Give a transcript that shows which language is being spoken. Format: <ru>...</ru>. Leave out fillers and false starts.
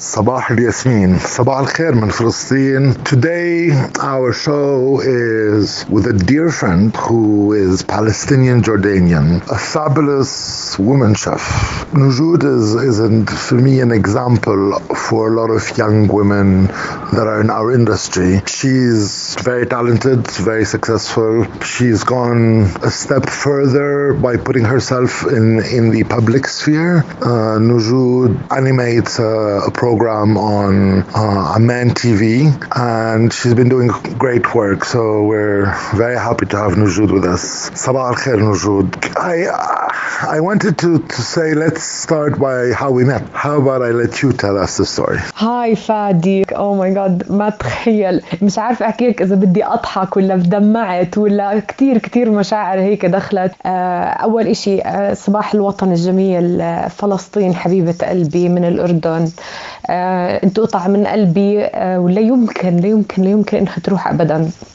<ar>صباح الياسمين صباح الخير من فلسطين.</ar> <en>Today our show is with a dear friend who is Palestinian Jordanian, a fabulous woman chef. Nujood is for me an example for a lot of young women that are in our industry. She's very talented, very successful. She's gone a step further by putting herself in the public sphere. Nujood animates a program on Amman TV, and she's been doing great work, so we're very happy to have Nujood with us. Sabah al-Khair, Nujood. I wanted to say, let's start by how we met. How about I let you tell us the story? Hi, Fadi. Oh my God,</en> <ar>ما تخيل. مش عارف أحكيك إذا بدي أضحك ولا بدمعت ولا كتير كتير مشاعر هيك دخلت. أول إشي صباح الوطن الجميل فلسطين حبيبة قلبي من الأردن. أنت قطع من قلبي ولا يمكن لا يمكن لا يمكن إنها تروح أبداً.</ar>